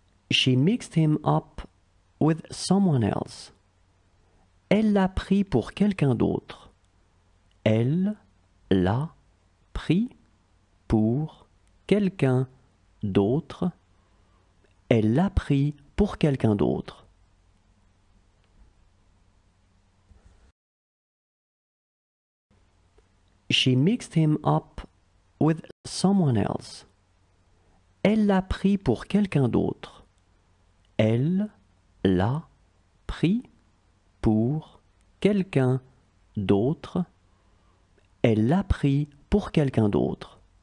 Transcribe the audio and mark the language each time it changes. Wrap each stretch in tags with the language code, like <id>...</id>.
<en>She mixed him up with someone else.</en> <fr>Elle l'a pris pour quelqu'un d'autre. Elle l'a pris pour quelqu'un d'autre. Elle l'a pris pour quelqu'un d'autre.</fr> <en>She mixed him up with someone else.</en> <fr>Elle l'a pris pour quelqu'un d'autre. Elle l'a pris pour quelqu'un d'autre. Elle l'a pris pour quelqu'un d'autre.</fr>